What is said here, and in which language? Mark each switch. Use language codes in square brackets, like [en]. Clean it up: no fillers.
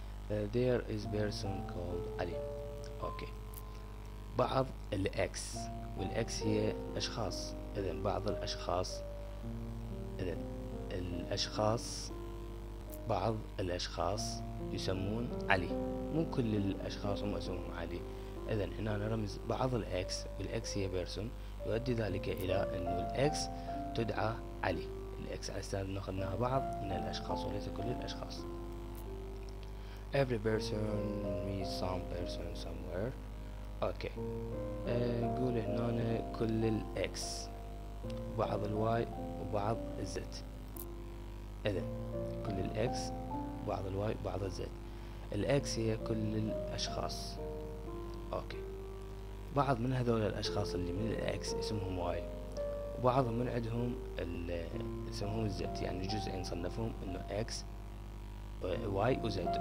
[en] There is person called Ali. [ar] اوكي، بعض الاكس والاكس هي اشخاص، اذا بعض الاشخاص، اذا الاشخاص بعض الاشخاص يسمون علي، مو كل الاشخاص هم اسمهم علي. اذا هنا رمز بعض الاكس والاكس هي بيرسون، يؤدي ذلك الى انه الاكس تدعى علي. الاكس على اساس ناخذناها بعض من الاشخاص وليس كل الاشخاص. [en] Every person meets some person somewhere. [ar] اوكي، قول هنا كل الاكس بعض الواي وبعض الزد. اذا كل الاكس بعض الواي بعض الزد، الاكس هي كل الاشخاص. اوكي، بعض من هذول الاشخاص اللي من الاكس اسمهم واي، وبعضهم من عندهم اسمهم الزد، يعني جزئين صنفهم انه اكس واي وزد.